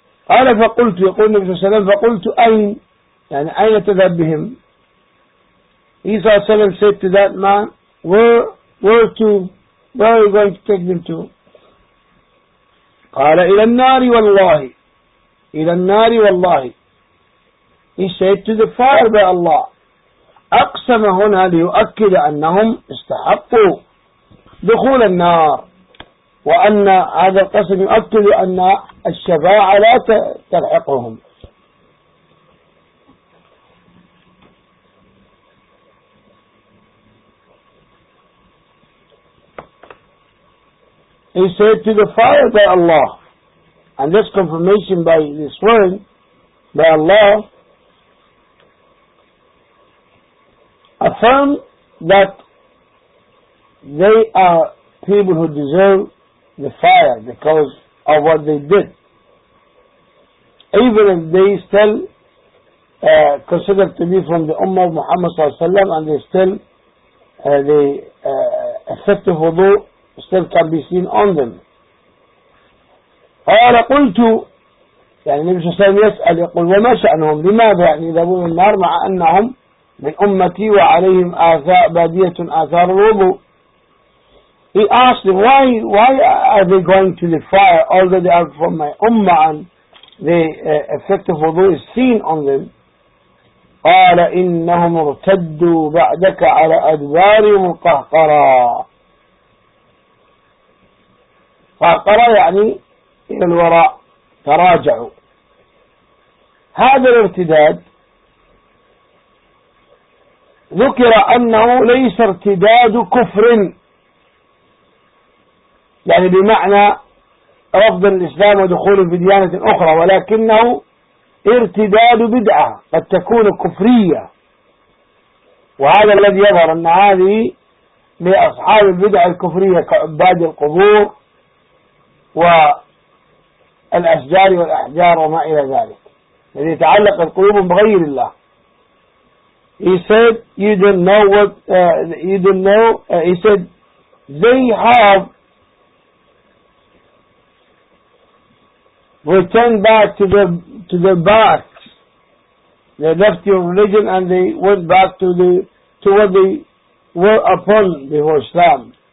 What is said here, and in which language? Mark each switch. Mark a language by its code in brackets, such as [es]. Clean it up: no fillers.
[ar] قال فقلت يقول النبي صلى الله عليه وسلم فقلت أين يعني أين تذهب بهم. [en] He [ar] صلى الله عليه وسلم [en] said to that man, where are you going to take them to? [ar] قال إلى النار والله إلى النار والله. [en] He said to the fire by Allah. [ar] أقسم هنا ليؤكد أنهم استحقوا دخول النار وأن هذا القسم يؤكد أن الشفاعة لا تلحقهم. [en] He said to the fire by Allah, and this confirmation by this word by Allah affirm that they are people who deserve the fire because of what they did. Even if they still considered to be from the Ummah of Muhammad [ar] صلى الله عليه وسلم [en] and they still the effect of wudu still can be seen on them. [ar] قال قلت يعني النبي صلى الله عليه وسلم يسأل يقول وما شأنهم لماذا يعني يذهبون النار مع أنهم من أمتي وعليهم آثار بادية آثار الوضوء. [en] He asked them, why are they going to the fire although they are from my ummah and the effect of wudu is seen on them. [ar] قال إنهم ارتدوا بعدك على أدبارهم قهقرا. قهقرا يعني إلى الوراء تراجعوا. هذا الارتداد ذكر أنه ليس ارتداد كفر يعني بمعنى رفض الإسلام ودخول في ديانة أخرى ولكنه ارتداد بدعة قد تكون كفرية. وهذا الذي يظهر أن هذه لأصحاب البدعة الكفرية كعباد القبور و الأشجار والأحجار وما إلى ذلك الذي يتعلق القلوب بغير الله. [en] He said you don't know what you don't know. He said they have returned back to the backs. They left your religion and they went back to what they were upon before Islam.